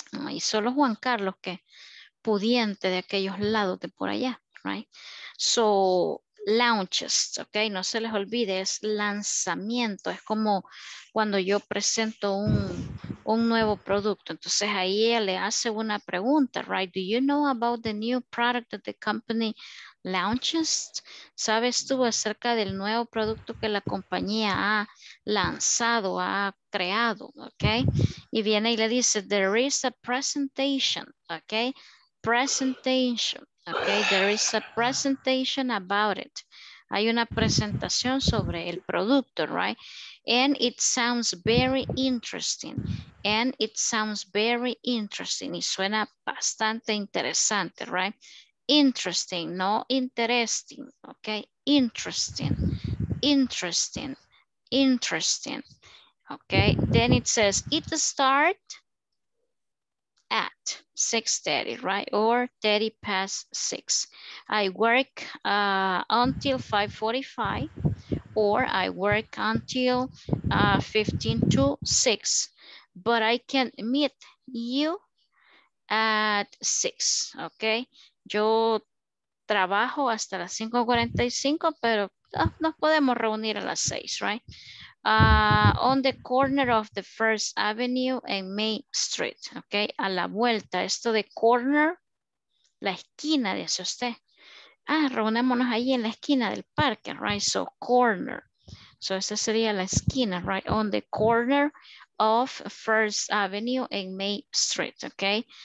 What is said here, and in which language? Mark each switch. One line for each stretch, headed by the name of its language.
Spanish: Y solo Juan Carlos, que pudiente de aquellos lados de por allá, right? So, launches, ok, no se les olvide, es lanzamiento, es como cuando yo presento un nuevo producto. Entonces ahí ella le hace una pregunta, right?
English: Do you know about the new product that the company launches?
Spanish: ¿Sabes tú acerca del nuevo producto que la compañía ha lanzado, ha creado?
English: Ok,
Spanish: y viene y le dice,
English: there is a presentation, ok, presentation. Okay, there is a presentation about it.
Spanish: Hay una presentación sobre el producto,
English: right? And it sounds very interesting. And it sounds very interesting.
Spanish: Y suena bastante interesante, right? Interesting, no interesting, okay?
English: Interesting, interesting, interesting. Okay, then it says, it starts at 6:30, right? Or 30 past six. I work until 5:45, or I work until 15 to six, but I can meet you at six, okay?
Spanish: Yo trabajo hasta las 5:45, pero nos podemos reunir a las 6, right?
English: On the corner of the First Avenue and Main Street, okay?
Spanish: A la vuelta, esto de corner, la esquina, dice usted. Ah, reunémonos ahí en la esquina del parque, right? So, corner. So, esta sería la esquina, right?
English: On the corner of First Avenue and Main Street, okay?